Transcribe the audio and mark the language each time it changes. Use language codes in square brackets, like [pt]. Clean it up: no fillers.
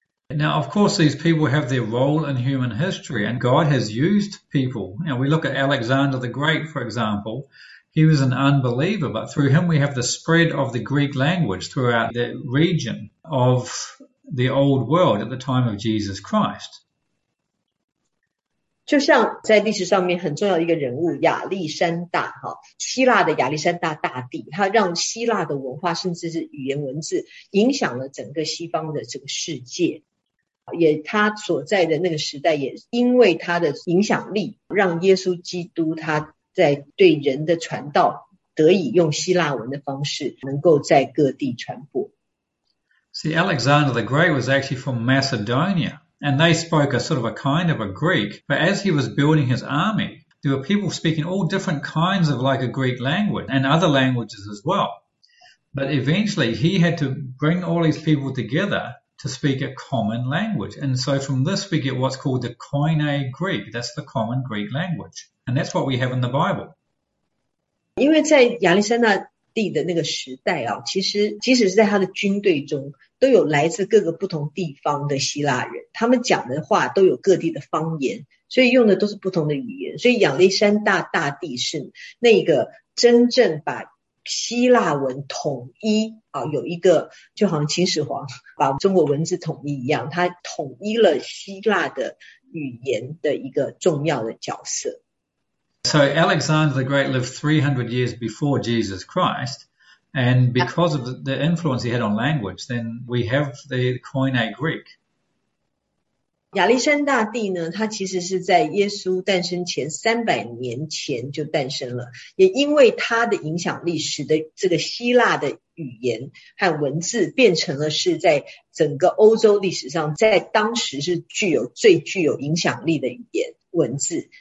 [en] Now, of course, these people have their role in human history, and God has used people. Now, we look at Alexander the Great, for example. He was an unbeliever, but through him, we have the spread of the Greek language throughout the region of the old world at the time of Jesus Christ. [zh] 就像在历史上面很重要一个人物亚历山大哈，希腊的亚历山大大帝，他让希腊的文化甚至是语言文字影响了整个西方的这个世界，也他所在的那个时代也因为他的影响力，让耶稣基督他在对人的传道得以用希腊文的方式能够在各地传播。 [en] See, Alexander the Great was actually from Macedonia, and they spoke a sort of a kind of a Greek. But as he was building his army, there were people speaking all different kinds of like a Greek language and other languages as well. But eventually, he had to bring all these people together to speak a common language. And so from this, we get what's called the Koine Greek. That's the common Greek language. And that's what we have in the Bible. [zh] 因为在亚历山大帝的那个时代啊，其实即使是在他的军队中，都有来自各个不同地方的希腊人，他们讲的话都有各地的方言，所以用的都是不同的语言。所以亚历山大大帝是那个真正把希腊文统一啊，有一个就好像秦始皇把中国文字统一一样，他统一了希腊的语言的一个重要的角色。 [en] So Alexander the Great lived 300 years before Jesus Christ, And because of the influence he had on language, then we have the Koine Greek. [zh] 亚历山大帝呢，他其实是在耶稣诞生前300年前就诞生了，也因为他的影响力，使得这个希腊的语言和文字变成了是在整个欧洲历史上，在当时是最具有影响力的语言文字。